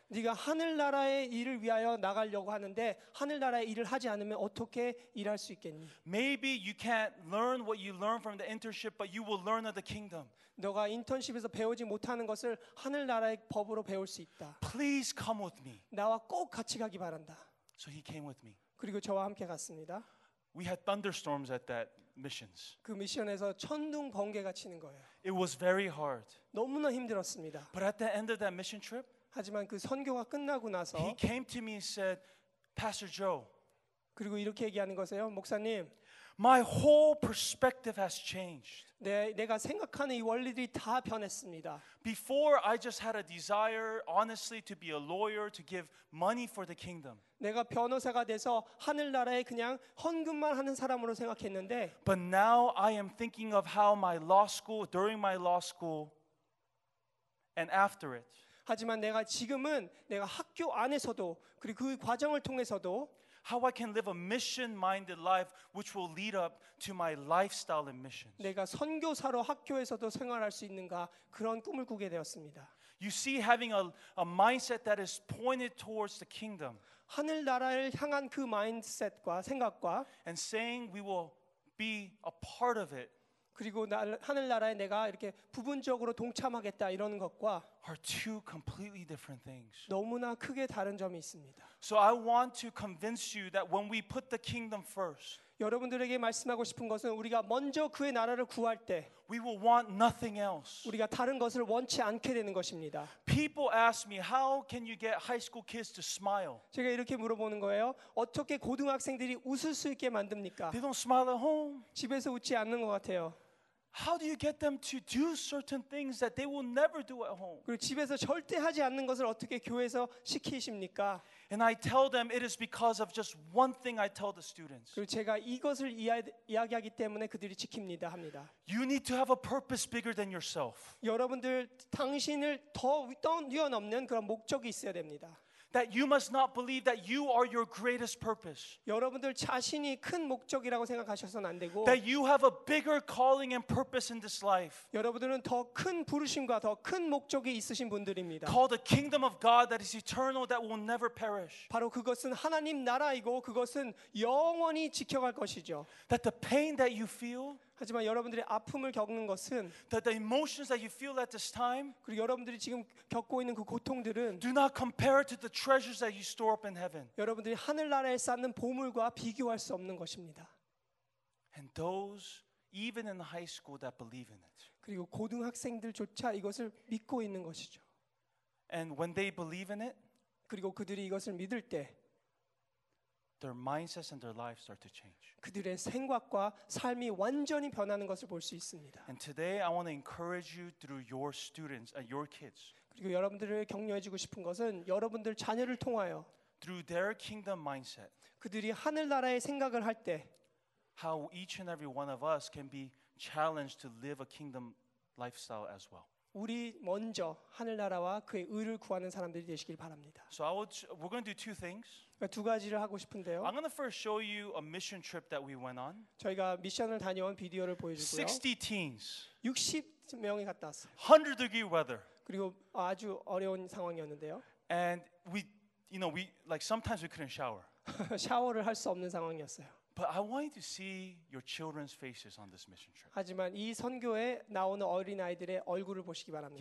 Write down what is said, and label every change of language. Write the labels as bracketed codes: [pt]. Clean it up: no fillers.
[ko] 네가 하늘나라의 일을 위하여 나가려고 하는데 하늘나라의 일을 하지 않으면 어떻게 일할 수 있겠니? [en] Maybe you can't learn what you learn from the internship, but you will learn of the kingdom. [ko] 너가 인턴십에서 배우지 못하는 것을 하늘나라의 법으로 배울 수 있다. [en] Please come with me. [ko] 나와 꼭 같이 가기 바란다. [en] So he came with me. [ko] 그리고 저와 함께 갔습니다. [en] We had thunderstorms at that missions. [ko] 그 미션에서 천둥 번개가 치는 거예요. [en] It was very hard. [ko] 너무나 힘들었습니다. [en] But at the end of that mission trip, [ko] 하지만 그 선교가 끝나고 나서 [en] he came to me and said, Pastor Joe. [ko] 그리고 이렇게 얘기하는 거세요, 목사님. [en] My whole perspective has changed. [ko] 내가 생각하는 이 원리들이 다 변했습니다. [en] Before I just had a desire honestly to be a lawyer to give money for the kingdom. [ko] 내가 변호사가 돼서 하늘나라에 그냥 헌금만 하는 사람으로 생각했는데 [en] But now I am thinking of how my law school during my law school and after it. [ko] 하지만 내가 지금은 내가 학교 안에서도 그리고 그 과정을 통해서도 [en] How I can live a mission-minded life which will lead up to my lifestyle and missions. [ko] 내가 선교사로 학교에서도 생활할 수 있는가 그런 꿈을 꾸게 되었습니다. [en] You see having a mindset that is pointed towards the kingdom. [ko] 하늘 나라를 향한 그 마인드셋과 생각과 [en] and saying we will be a part of it. [ko] 그리고 하늘 나라에 내가 이렇게 부분적으로 동참하겠다 이런 것과 [en] are two completely different things. [ko] 너무나 크게 다른 점이 있습니다. [en] So I want to convince you that when we put the kingdom first. [ko] 여러분들에게 말씀하고 싶은 것은 우리가 먼저 그의 나라를 구할 때 [en] we will want nothing else. [ko] 우리가 다른 것을 원치 않게 되는 것입니다. [en] People ask me how can you get high school kids to smile? [ko] 제가 이렇게 물어보는 거예요. 어떻게 고등학생들이 웃을 수 있게 만듭니까? [en] They don't smile at home. [ko] 집에서 웃지 않는 것 같아요. [en] How do you get them to do certain things that they will never do at home? [ko] 그리고 집에서 절대 하지 않는 것을 어떻게 교회에서 시키십니까? [en] And I tell them it is because of just one thing I tell the students. [ko] 그리고 제가 이것을 이야기하기 때문에 그들이 지킵니다 합니다. [en] You need to have a purpose bigger than yourself. [ko] 여러분들 당신을 더 뛰어넘는 그런 목적이 있어야 됩니다. [en] That you must not believe that you are your greatest purpose. [ko] 여러분들 자신이 큰 목적이라고 생각하셔서는 안 되고. [en] That you have a bigger calling and purpose in this life. [ko] 여러분들은 더 큰 부르심과 더 큰 목적이 있으신 분들입니다. [en] Called the kingdom of God that is eternal that will never perish. [ko] 바로 그것은 하나님 나라이고 그것은 영원히 지켜갈 것이죠. [en] That the pain that you feel. [ko] 하지만 여러분들의 아픔을 겪는 것은 [en] that the emotions that you feel at this time [ko] 그리고 여러분들이 지금 겪고 있는 그 고통들은 [en] do not compare to the treasures that you store up in heaven [ko] 여러분들이 하늘나라에 쌓는 보물과 비교할 수 없는 것입니다. [en] And those even in high school that believe in it [ko] 그리고 고등학생들조차 이것을 믿고 있는 것이죠. [en] And when they believe in it [ko] 그리고 그들이 이것을 믿을 때 [en] Their mindsets and their lives start to change. [ko] 그들의 생각과 삶이 완전히 변하는 것을 볼 수 있습니다. [en] And today I want to encourage you through your students and your kids. [ko] 그리고 여러분들을 격려해 주고 싶은 것은 여러분들 자녀를 통하여 [en] through their kingdom mindset. [ko] 그들이 하늘나라의 생각을 할 때 [en] how each and every one of us can be challenged to live a kingdom lifestyle as well. [ko] 우리 먼저 하늘나라와 그의 의를 구하는 사람들이 되시길 바랍니다. [en] So we're going to do two things. [ko] 두 가지를 하고 싶은데요. [en] I'm going to first show you a mission trip that we went on. [ko] 저희가 미션을 다녀온 비디오를 보여주고요. [en] 60 teens. [ko] 60명이 갔다 왔어요. [en] 100 degree weather. [ko] 그리고 아주 어려운 상황이었는데요. [en] And we, you know, we like sometimes we couldn't shower. [ko] 샤워를 할 수 없는 상황이었어요. [en] But I want you to see your children's faces on this mission trip. [ko] 하지만 이 선교에 나오는 어린 아이들의 얼굴을 보시기 바랍니다.